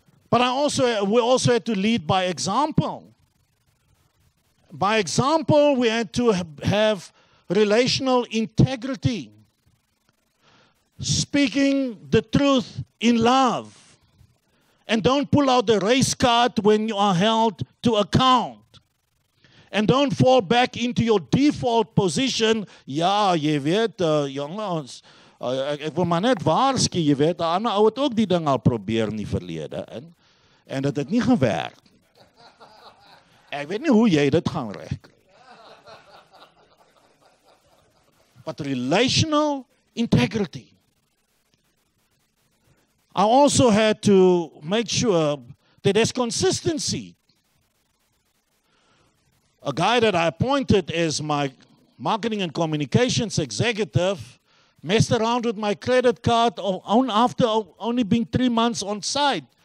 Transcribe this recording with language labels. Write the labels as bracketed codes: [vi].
[en] But we also had to lead by example. By example, we had to have relational integrity. speaking the truth in love. And don't pull out the race card when you are held to account. And don't fall back into your default position. [af] Yeah, jy weet, jongens, ek wil maar net waarsku, jy weet, Anna ou het ook die ding al probeer in die verlede. En dat het nie gewerk. Ek weet nie hoe jy dit gaan reg. [en] But relational integrity. I also had to make sure that there's consistency. A guy that I appointed as my marketing and communications executive messed around with my credit card after only being 3 months on site.